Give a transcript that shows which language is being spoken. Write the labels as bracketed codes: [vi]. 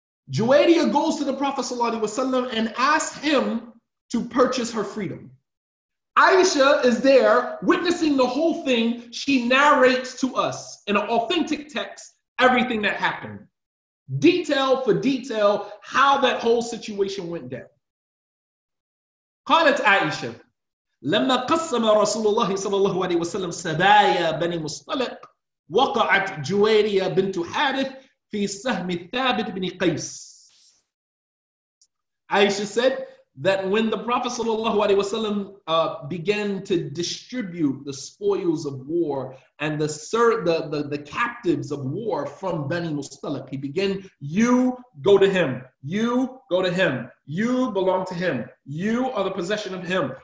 [en] Juwayriya goes to the Prophet sallallahu alaihi wasallam and asks him to purchase her freedom. Aisha is there witnessing the whole thing. She narrates to us in an authentic text everything that happened. Detail for detail, how that whole situation went down. [ar] Qalat Aisha, لما قسم رسول الله صلى الله عليه وسلم سبايا بني مصطلق وقعت جويريا بنت حارث في سهم ثابت بن قيس. [en] Aisha said that when the Prophet sallallahu alaihi wasallam began to distribute the spoils of war and the captives of war from Bani Mustalik, he began, you go to him, you go to him, you belong to him, you are the possession of him.